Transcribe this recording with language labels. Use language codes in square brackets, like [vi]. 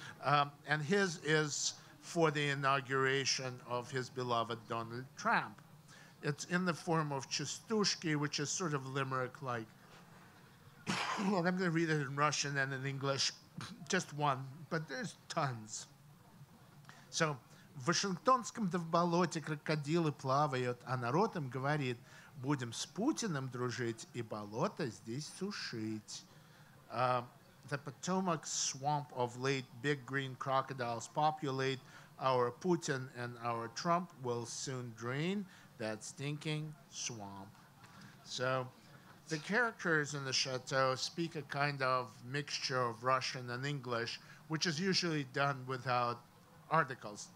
[en] And his is for the inauguration of his beloved Donald Trump. It's in the form of chistushki, which is sort of limerick-like. Well, I'm going to read it in Russian and in English, just one, but there's tons. [ru] So, в Вашингтонском да в болоте крокодилы плавают, а народ им говорит, будем с Путиным дружить и болото здесь сушить. [en] The Potomac swamp of late big green crocodiles populate, our Putin and our Trump will soon drain that stinking swamp. So, the characters in the chateau speak a kind of mixture of Russian and English, which is usually done without articles.